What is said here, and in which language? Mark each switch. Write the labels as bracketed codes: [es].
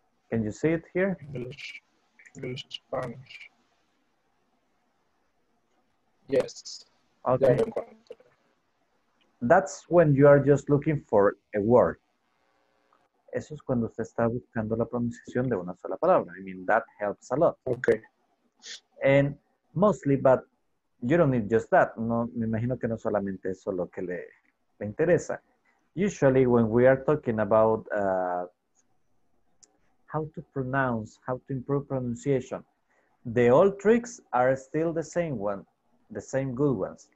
[en] Can you see it here? English, Spanish. Yes. Okay. That's when you are just looking for a word. [es] Eso es cuando usted está buscando la pronunciación de una sola palabra. [en] I mean, that helps a lot. Okay. And mostly, but you don't need just that. [es] No, me imagino que no solamente eso lo que le interesa. [en] Usually when we are talking about how to pronounce, how to improve pronunciation, the old tricks are still the same one, the same good ones.